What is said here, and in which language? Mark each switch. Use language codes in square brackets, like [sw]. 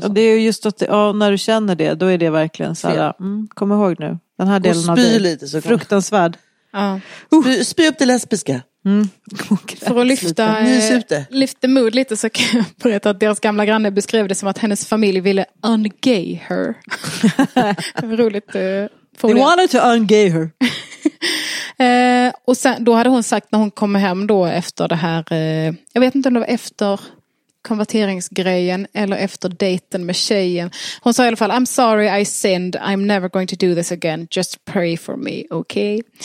[sv] och det är just att när du känner det, då är det verkligen så här, kom ihåg nu. Den här och delen spy av dig. Lite, så fruktansvärd. Ja. Spy upp det lesbiska. Mm. För att lyfta mod lite så kan jag berätta att deras gamla granne beskrev det som att hennes familj ville [en] ungay her. [sv] Roligt. [en] They wanted to ungay her. [sv] Och sen, då hade hon sagt när hon kom hem då efter det här, jag vet inte om det var efter konverteringsgrejen eller efter dejten med tjejen. Hon sa i alla fall, [en] I'm sorry I sinned, I'm never going to do this again, just pray for me, okay?